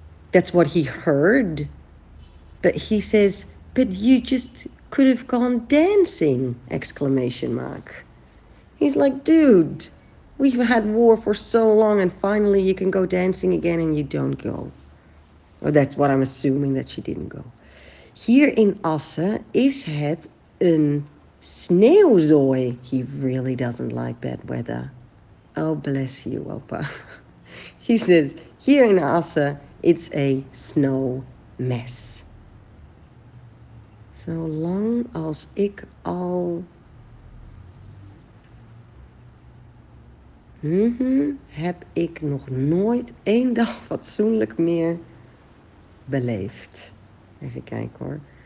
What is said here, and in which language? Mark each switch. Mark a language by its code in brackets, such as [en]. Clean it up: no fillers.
[en] That's what he heard. But he says, but you just could have gone dancing, exclamation mark. He's like, dude, we've had war for so long and finally you can go dancing again and you don't go. Well, that's what I'm assuming, that she didn't go. [nl] Here in Assen is het een sneeuwzooi. [en] He really doesn't like bad weather. Oh, bless you, Opa. He says, here in Assen, it's a snow mess. [nl] Zolang als ik al heb ik nog nooit één dag fatsoenlijk meer beleefd. Even kijken hoor.